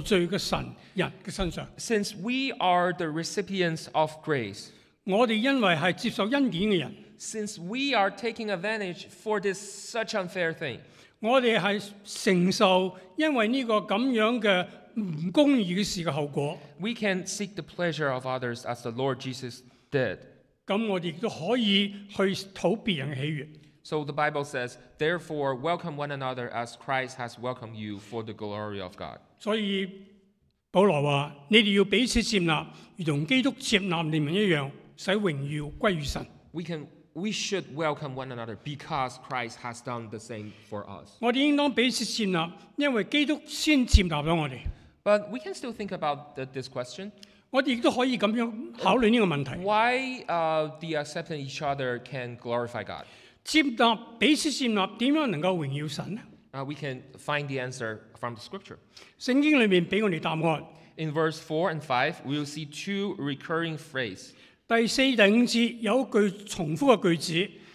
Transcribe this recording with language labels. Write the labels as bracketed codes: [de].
[zh] 能够落在耶稣基督这个无罪的神人的身上。 [en] Since we are the recipients of grace, [zh] 我们因为是接受恩典的人, [en] since we are taking advantage for this such unfair thing, [zh] 我们是承受因为这个这样的不公义的事的后果, [en] we can seek the pleasure of others as the Lord Jesus did. [zh] 我们也可以去讨别人的喜悦。 [en] So the Bible says, therefore, welcome one another as Christ has welcomed you for the glory of God. [zh] 所以保罗说,你们要彼此接纳,如同基督接纳你们一样,使荣耀归于神。 [en] We should welcome one another because Christ has done the same for us. [zh] 我们应当彼此接纳,因为基督先接纳了我们。 [en] But we can still think about this question. [zh] 我们也可以这样考虑这个问题。 [en] Why the accepting each other can glorify God? [zh] 接纳,彼此接纳,怎样能够荣耀神呢? [en] We can find the answer from the scripture. [zh] 圣经里面给我们答案。 [en] In verse 4 and 5, we will see two recurring phrases. [zh] 第四、第五节有一句重复的句子。